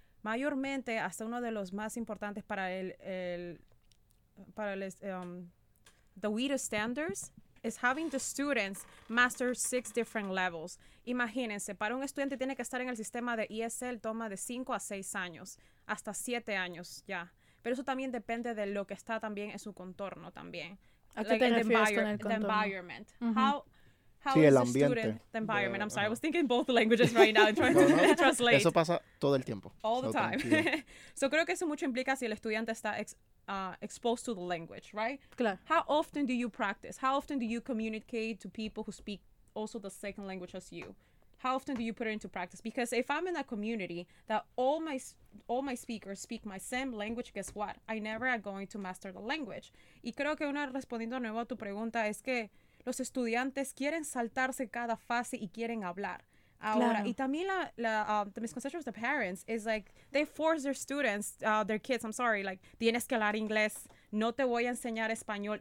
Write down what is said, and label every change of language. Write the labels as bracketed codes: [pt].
[es] Mayormente, hasta uno de los más importantes para [en] the WITA standards, is having the students master 6 different levels. [es] Imagínense, para un estudiante tiene que estar en el sistema de ESL, toma de 5 a 6 años, hasta 7 años ya. Pero eso también depende de lo que está también en su contorno también. ¿A qué te refieres con el contorno? [en] The environment. Uh-huh. How is [es] el ambiente. [en] The environment. I'm sorry, I was thinking both languages right now and trying to translate. [es] Eso pasa todo el tiempo. [en] All the time. So [es] creo que eso mucho implica si el estudiante está [en] exposed to the language, right? [es] Claro. [en] How often do you practice? How often do you communicate to people who speak also the second language as you? How often do you put it into practice? Because if I'm in a community that all my speakers speak my same language, guess what? I never am going to master the language. [es] Y creo que una respondiendo de nuevo a tu pregunta es que los estudiantes quieren saltarse cada fase y quieren hablar. Ahora, claro. Y también [en] the misconception of the parents is like, they force their students, their kids, I'm sorry, like, [es] tienes que hablar inglés, no te voy a enseñar español.